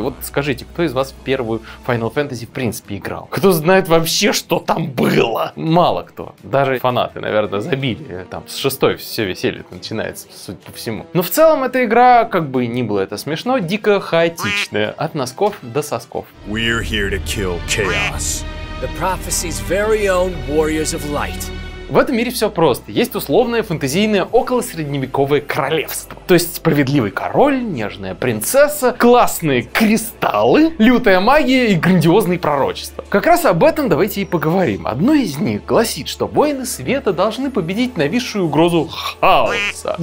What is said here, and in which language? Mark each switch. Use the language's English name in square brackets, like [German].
[Russian] Вот скажите, кто из вас первую Final Fantasy в принципе играл? Кто знает вообще, что там было? Мало кто. Даже фанаты, наверное, забили. Там с шестой все веселье начинается, судя по всему. Но в целом эта игра, как бы ни было это смешно, дико хаотичная. От носков до сосков. [English] We're here to kill chaos. The prophecy's very own warriors of light. [Russian] В этом мире все просто. Есть условное фэнтезийное околосредневековое королевство. То есть справедливый король, нежная принцесса, классные кристаллы, лютая магия и грандиозные пророчества. Как раз об этом давайте и поговорим. Одно из них гласит, что воины света должны победить нависшую угрозу хаоса.